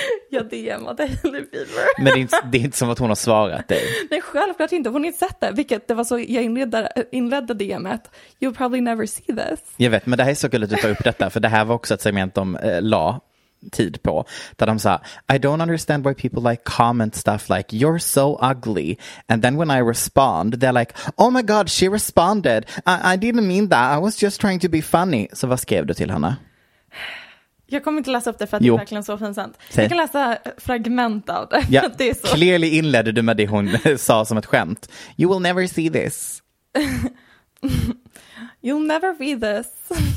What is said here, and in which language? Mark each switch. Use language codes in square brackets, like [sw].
[sv] Jag DMade Hailey Bieber. Men det är inte som att hon har svarat dig. Nej, självklart inte. Hon har inte sett det. Vilket det var så jag inledde DMet. [en] You'll probably never see this. [sv] Jag vet, men det här är så kul att du tar upp detta. För det här var också ett segment de la tid på. Där de sa, [en] I don't understand why people like comment stuff like you're so ugly. And then when I respond, they're like, oh my god, she responded. I didn't mean that. I was just trying to be funny. [sv] Så vad skrev du till henne? Jag kommer inte läsa upp det för att det är verkligen så finsamt. Jag kan läsa fragment av det. Ja. Det är så. Clearly inledde du med det hon sa som ett skämt. [en] You will never see this. You'll never read this.